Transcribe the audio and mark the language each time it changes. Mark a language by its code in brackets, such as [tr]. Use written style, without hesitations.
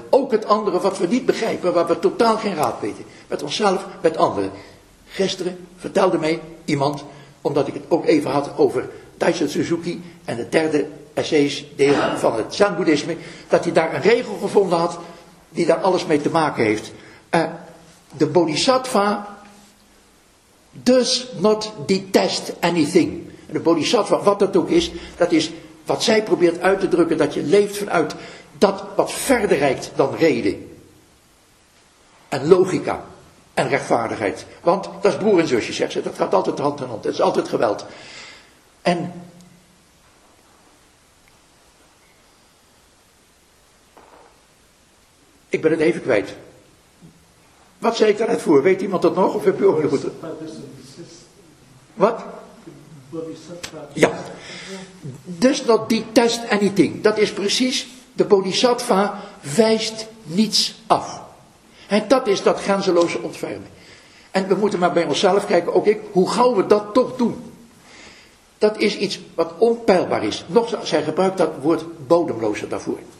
[nl] Ook het andere wat we niet begrijpen, waar we totaal geen raad weten. Met onszelf, met anderen. Gisteren vertelde mij iemand, omdat ik het ook even had over Taishin Suzuki en de derde essays deel van het Zen-boeddhisme, dat hij daar een regel gevonden had die daar alles mee te maken heeft. [en] De bodhisattva does not detest anything. [nl] De bodhisattva, wat dat ook is, dat is wat zij probeert uit te drukken, dat je leeft vanuit dat wat verder reikt dan reden. En logica. En rechtvaardigheid. Want dat is broer en zusje, zegt ze. Dat gaat altijd hand in hand. Dat is altijd geweld. En ik ben het even kwijt. Wat zei ik daar net voor? Weet iemand dat nog? Of heb je ook goed? Wat? [en] Ja, does not detest anything. [nl] Dat is precies, de bodhisattva wijst niets af. En dat is dat grenzeloze ontfermen. En we moeten maar bij onszelf kijken, ook ik, hoe gauw we dat toch doen. Dat is iets wat onpeilbaar is. Nog, zij gebruikt dat woord bodemloze daarvoor.